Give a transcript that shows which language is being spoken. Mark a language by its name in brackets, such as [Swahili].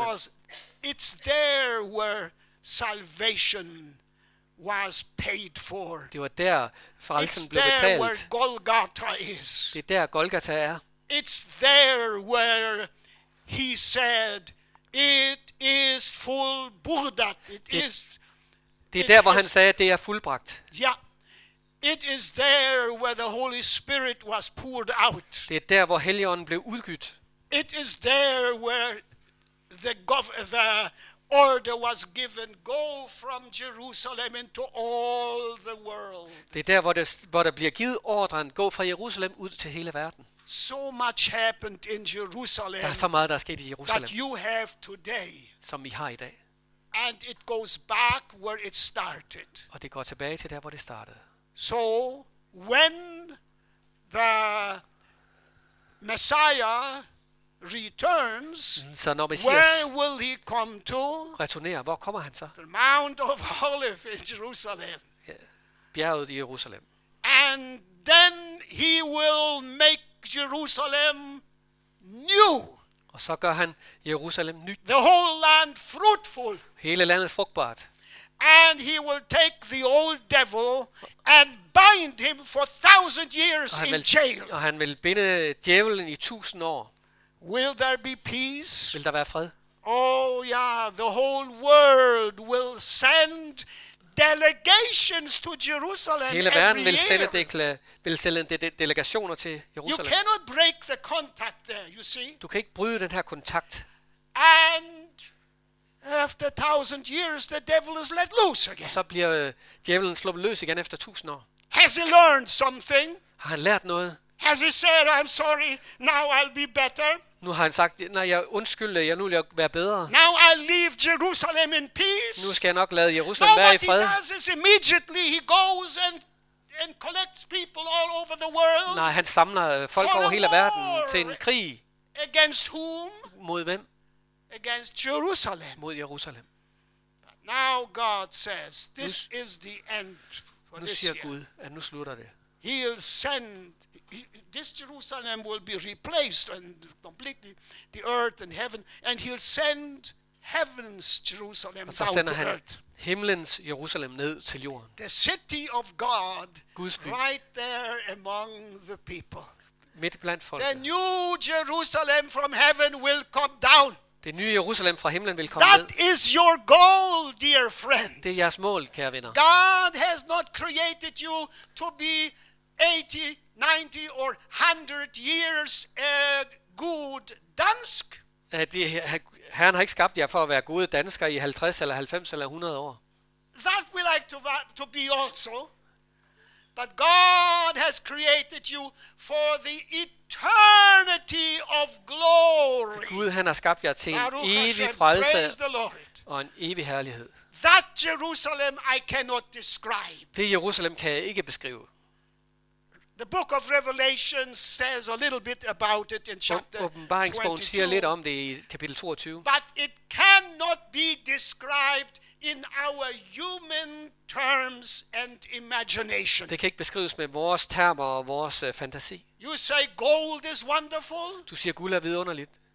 [English] Because it's there where salvation was paid for. [Danish] Det var der frelsen [English] it's [Danish] blev betalt. [English] It's there where Golgotha is. [Danish] Det er der Golgata er. [English] It's there where he said it is [Swedish] fullbordat. [Danish] Det er der hvor han sagde det er fuldbragt. Ja. [English] It is there where the Holy Spirit was poured out. [Danish] Det er der hvor Helligånden blev udgydt. [English] It is there where the order was given, go from Jerusalem into all the world. [Danish] Det er der hvor der bliver givet ordren, gå fra Jerusalem ud til hele verden. [English] So much happened in Jerusalem. [Danish] Der er så meget der skete i Jerusalem. [English] That you have today. [Danish] Som vi har i dag. [English] And it goes back where it started. [Danish] Og det går tilbage til der hvor det startede. [English] So when the Messiah returns, [Danish] så når Messias [English] where will he come to? [Danish] Returnerer, hvor kommer han så? [English] The Mount of Olives in Jerusalem. [Danish] Bjerget i Jerusalem. [English] And then he will make Jerusalem new. [Danish] Og så gør han Jerusalem nyt. [English] The whole land fruitful. [Danish] Hele landet frugtbart. [English] And he will take the old devil and bind him for 1,000 years in jail. [Danish] Og han vil binde djævelen i 1,000 år. [English] Will there be peace? [Danish] Vil der være fred? [English] Oh yeah, the whole world will send delegations to Jerusalem. [Danish] Hele verden vil sende delegationer til Jerusalem. [English] You cannot break the contact there, you see? [Danish] Du kan ikke bryde den her kontakt. [English] And after 1,000 years, the devil is let loose again. [Danish] Så bliver djævelen sluppet løs igen efter 1,000 år. [English] Has he learned something? [Danish] Har han lært noget? [English] Has he said, I'm sorry, now I'll be better? [Danish] Nu har han sagt, nej, jeg undskylder, jeg nu vil jeg være bedre. [English] Now I'll leave Jerusalem in peace. [Danish] Nu skal jeg nok lade Jerusalem være i fred. [English] No, what he does is immediately he goes and collects people all over the world. [Danish] Nej, han samler folk over hele verden til en krig. [English] Against whom? [Danish] Mod hvem? [English] Against Jerusalem. [Danish] Mod Jerusalem. [English] Now God says, this is the end for this year. [Danish] Nu siger Gud, at nu slutter det. [English] He'll send, this Jerusalem will be replaced and completely the earth and heaven, and he'll send heaven's Jerusalem down to earth. [Danish] Og så sender han himlens Jerusalem ned til jorden. [English] The city of God, [Danish] Guds by, [English] right there among the people. [Danish] Midt blandt folk. [English] The new Jerusalem from heaven will come down. [Danish] Det nye Jerusalem fra himlen vil komme. [English] That is your goal, dear friend. [Danish] Det er jeres mål, kære venner. [English] God has not created you to be 80, 90 or 100 years good dansk. [Danish] Herren har ikke skabt jer for at være gode danskere i 50 eller 90 eller 100 år. [English] That we like to be also. But God has created you for the eternity of glory. [Danish] Gud, han har skabt jer til en evig frelse og en evig herlighed. [English] That Jerusalem I cannot describe. [Danish] Det Jerusalem kan jeg ikke beskrive. [English] The book of Revelation says a little bit about it in chapter 22. [Danish] Åbenbaringsbogen siger lidt om det i kapitel 22. [English] But it cannot be described in our human terms and imagination. [Danish] Det kan ikke beskrives med vores termer og vores fantasi. [English] You say gold is wonderful. [Danish] Du siger guld er vidunderligt.